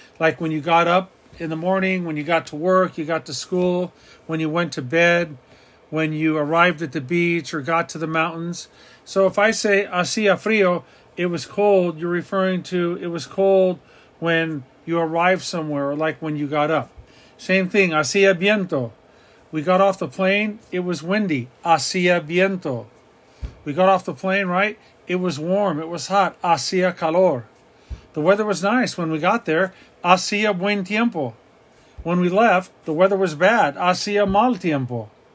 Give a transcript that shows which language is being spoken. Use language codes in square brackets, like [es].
[en] Like when you got up in the morning, when you got to work, you got to school, when you went to bed, when you arrived at the beach or got to the mountains. So if I say [es] hacía frío, [en] it was cold, you're referring to it was cold when you arrived somewhere, or like when you got up. Same thing, [es] hacía viento. [en] We got off the plane, it was windy. [es] Hacía viento. [en] We got off the plane, right? It was warm. It was hot. [es] Hacía calor. [en] The weather was nice when we got there. [es] Hacía buen tiempo. [en] When we left, the weather was bad. [es] Hacía mal tiempo.